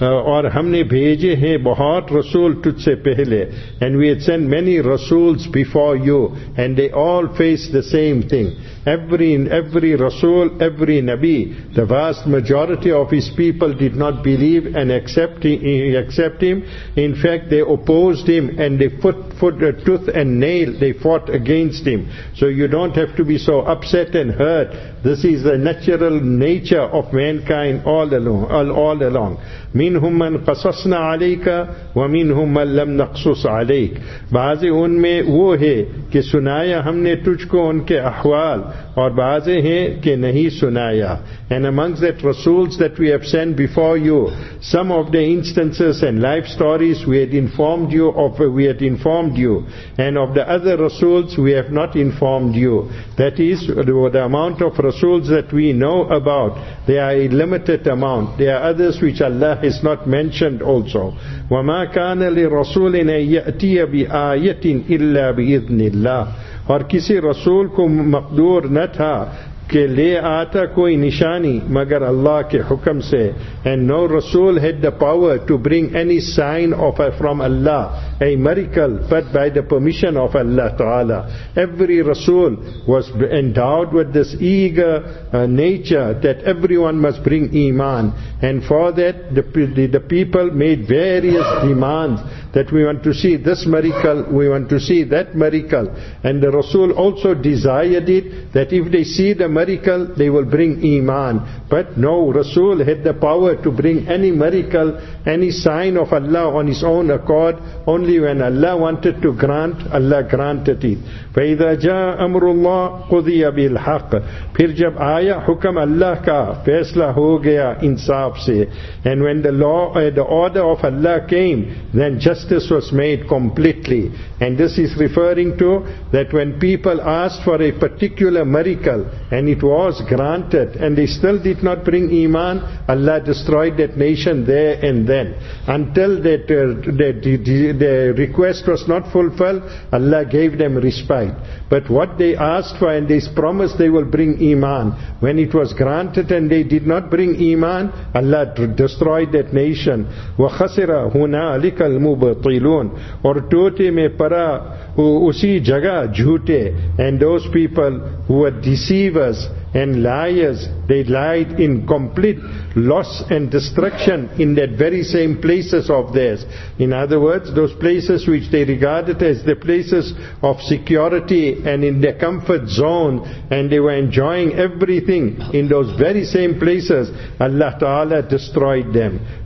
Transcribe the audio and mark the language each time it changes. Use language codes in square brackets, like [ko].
[ur] اور ہم نے بھیجے ہیں بہت رسول تجھ سے پہلے. [en] And we had sent many rasuls before you, and they all faced the same thing. Every rasul, every nabi, the vast majority of his people did not believe and accept him. In fact, they opposed him, and they tooth and nail, they fought against him. So you don't have to be so upset and hurt. This is the natural nature of mankind all along. [ar] مِنْهُمْ مَنْ قَصَصْنَا عَلَيْكَ وَمِنْهُمْ مَنْ لَمْ نَقْصُصْ عَلَيْكَ. [ur] بعض ان میں وہ ہے کہ سنایا ہم نے تجھ کو ان کے احوال اور بعضے ہیں کہ نہیں سنایا. [en] And amongst that rasools that we have sent before you, some of the instances and life stories we had informed you of, we had informed you, and of the other rasools we have not informed you. That is, the amount of rasools that we know about, they are a limited amount. There are others which Allah has not mentioned also. [ar] وَمَا كَانَ لِرَسُولِنَا يَأْتِيَ بِآيَةٍ إِلَّا بِإِذْنِ اللَّهِ. [ur] اور کسی رسول کو مقدور نہ تھا کہ لے آتا کوئی نشانی مگر اللہ کے حکم سے. [en] And no rasul had the power to bring any sign of from Allah, a miracle, but by the permission of Allah Ta'ala. Every rasul was endowed with this eager nature that everyone must bring iman. And for that, the people made various demands that we want to see this miracle, we want to see that miracle. And the rasul also desired it, that if they see the miracle, they will bring iman. But no rasul had the power to bring any miracle, any sign of Allah on his own accord. Only when Allah wanted to grant, Allah granted it. [ar] فَإِذَا جَاءَ أَمْرُ اللَّهِ قُضِيَ بِالْحَقِّ. [ur] پھر جب آیا حکم اللہ کا, فیصلہ ہو گیا انصاف سے. [en] And when the law, the order of Allah came, then justice was made completely. And this is referring to that when people asked for a particular miracle and it was granted and they still did not bring iman, Allah destroyed that nation there and then. Until that their request was not fulfilled, Allah gave them respite. But what they asked for and they promised they will bring iman, when it was granted and they did not bring iman, Allah destroyed that nation. [ar] وَخَسِرَ هُنَالِكَ الْمُبَطِلُونَ. [ur] اور ٹوٹے میں پرا اسی جگہ جھوٹے. [en] And those people who were deceivers and liars, they lied in complete loss and destruction in that very same places of theirs. In other words, those places which they regarded as the places of security and in their comfort zone, and they were enjoying everything in those very same places, Allah Ta'ala destroyed them.